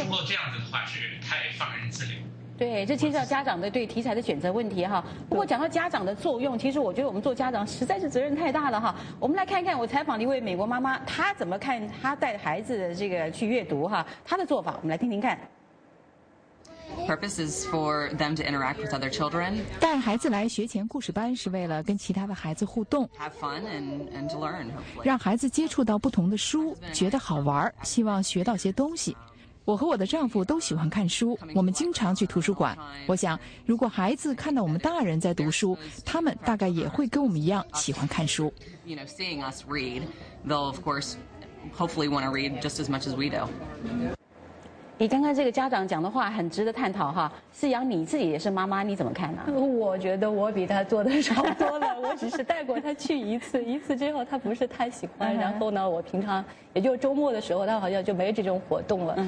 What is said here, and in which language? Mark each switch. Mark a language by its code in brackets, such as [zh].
[zh] 有的时候这样子的话是太放任自流。对，这牵涉到家长的对题材的选择问题哈。不过讲到家长的作用，其实我觉得我们做家长实在是责任太大了哈。我们来看一看，我采访了一位美国妈妈，她怎么看她带孩子的这个去阅读哈，她的做法，我们来听听看。 [en] Purpose is for them to interact with other children. [zh] 带孩子来学前故事班是为了跟其他的孩子互动， [en] have fun and to learn， [zh] 让孩子接触到不同的书，觉得好玩，希望学到些东西。我和我的丈夫都喜欢看书，我们经常去图书馆。我想，如果孩子看到我们大人在读书，他们大概也会跟我们一样喜欢看书。 [en] You know, seeing us read, they'll of course, hopefully want to read just as much as we do. [zh] 你刚刚这个家长讲的话很值得探讨哈，思阳你自己也是妈妈，你怎么看呢？我觉得我比他做的少多了，我只是带过他去一次，一次之后他不是太喜欢，然后呢，我平常也就周末的时候，他好像就没这种活动了。